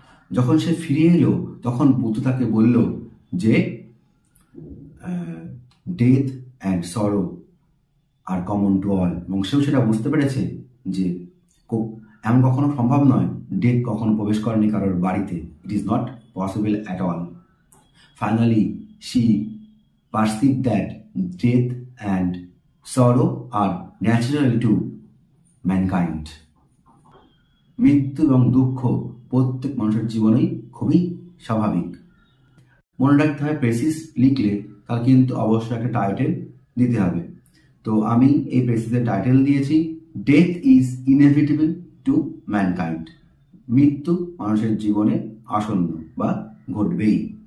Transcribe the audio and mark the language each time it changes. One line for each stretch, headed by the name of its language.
Bangla: যখন সে ফিরে এলো তখন বুদ্ধ তাকে বলল যে
English: death and sorrow are common to all,
Bangla: এবং সেও সেটা বুঝতে পেরেছে যে এমন কখনো সম্ভব নয় ডেথ কখনো প্রবেশ করেনি কারোর বাড়িতে,
English: It is not possible at all. Finally she perceive that death and sorrow are natural to mankind.
Bangla: মৃত্যু এবং দুঃখ প্রত্যেক মানুষের জীবনেই খুবই স্বাভাবিক। মনে রাখতে হয় প্রেসিস লিখলে তার কিন্তু অবশ্যই একটা টাইটেল দিতে হবে। তো আমি এই প্রেসিসের টাইটেল দিয়েছি
English: death is inevitable to mankind,
Bangla: মৃত্যু মানুষের জীবনে আসন্ন বা ঘটবেই।